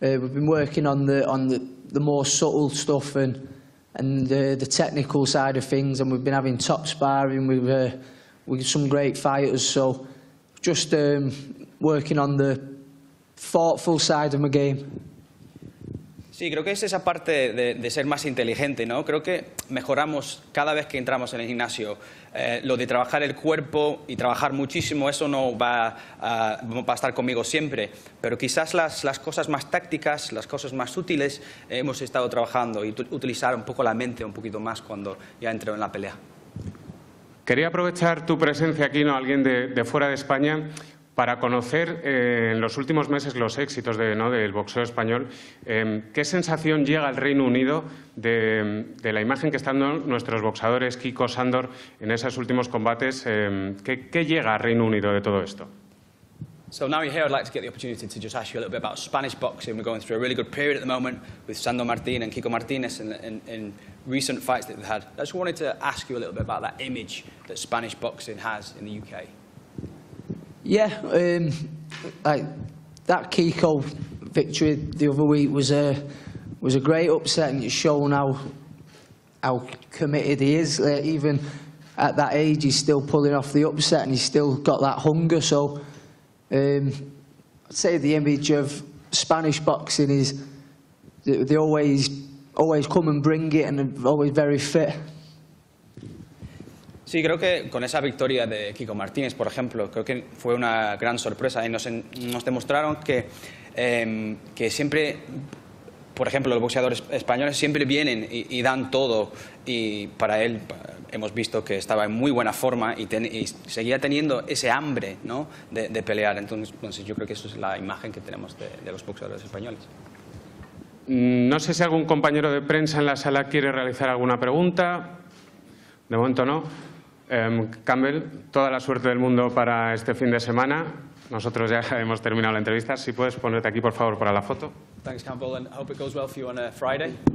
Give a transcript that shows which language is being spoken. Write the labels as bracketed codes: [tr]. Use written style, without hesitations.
[en] We've been working on the more subtle stuff and the technical side of things, and we've been having top sparring with some great fighters. So just working on the thoughtful side of my game. [es] Sí, creo que es esa parte de ser más inteligente, ¿no? Creo que mejoramos cada vez que entramos en el gimnasio. Lo de trabajar el cuerpo y trabajar muchísimo, eso no va a estar conmigo siempre. Pero quizás las cosas más tácticas, las cosas más útiles, hemos estado trabajando y utilizar un poco la mente un poquito más cuando ya entro en la pelea. Quería aprovechar tu presencia aquí, ¿no? Alguien de fuera de España, para conocer en los últimos meses los éxitos del boxeo español. ¿Qué sensación llega al Reino Unido de la imagen que están dando nuestros boxeadores Kiko, Sandor en esos últimos combates? ¿Qué llega al Reino Unido de todo esto? [en] So now you're here, I'd like to get the opportunity to just ask you a little bit about Spanish boxing. We're going through a really good period at the moment with Sandor Martín and Kiko Martínez in recent fights that they've had. I just wanted to ask you a little bit about that image that Spanish boxing has in the UK. Yeah, that Kiko victory the other week was a great upset, and it's shown how committed he is. Even at that age, he's still pulling off the upset, and he's still got that hunger. So I'd say the image of Spanish boxing is they always come and bring it, and are always very fit. [es] Sí, creo que con esa victoria de Kiko Martínez, por ejemplo, creo que fue una gran sorpresa y nos demostraron que siempre, por ejemplo, los boxeadores españoles siempre vienen y dan todo, y para él hemos visto que estaba en muy buena forma y seguía teniendo ese hambre, ¿no?, de pelear. Entonces yo creo que esa es la imagen que tenemos de los boxeadores españoles. No sé si algún compañero de prensa en la sala quiere realizar alguna pregunta. De momento no. Campbell, toda la suerte del mundo para este fin de semana. Nosotros ya hemos terminado la entrevista. Si puedes ponerte aquí, por favor, para la foto. [en] Thanks, Campbell, and hope it goes well for you on a Friday.